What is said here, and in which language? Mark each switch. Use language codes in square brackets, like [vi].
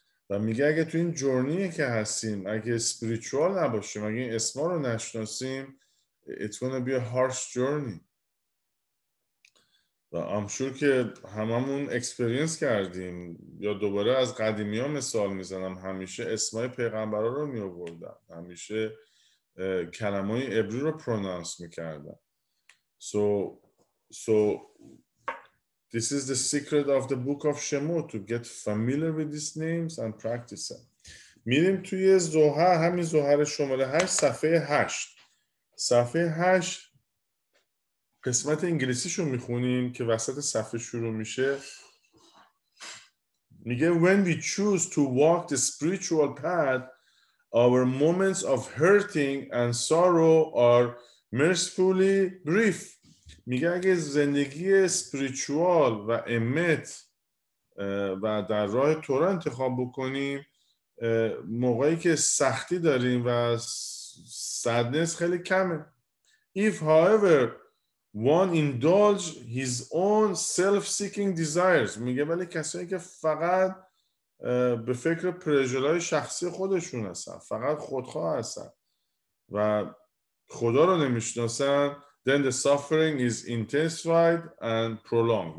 [fa] و میگه اگه تو این جورنیه که هستیم اگه اسپریچوال نباشیم، اگه این اسما رو نشناسیم، [en] it's gonna be a harsh journey. [fa] و [en] I'm sure [fa] که هممون اکسپریانس کردیم، یا دوباره از قدیمی ها مثال میزنم، همیشه اسمای پیغمبرا رو میآوردن، همیشه کلمه های عبری رو پرونانس میکردن. [en] So this is the secret of the book of Shemot, to get familiar with these names and practice them. [fa] میریم توی زوهر، همین زوهر شماره 8 صفحه 8. صفحه 8 قسمت انگلیسیشو میخونیم که وسط صفحه شروع میشه. [en] میگه when we choose to walk the spiritual path, our moments of hurting and sorrow are mercifully brief. [fa] میگه اگه زندگی اسپریچوال و امت و در راه تورا انتخاب بکنیم، موقعی که سختی داریم و سادنس خیلی کمه. [en] If however one indulge his own self-seeking desires، [fa] میگه ولی کسایی که فقط به فکر پرژلای شخصی خودشون هستن، فقط خودخواه هستن و خدا رو نمیشناسن، [en] then the suffering is intensified and prolonged.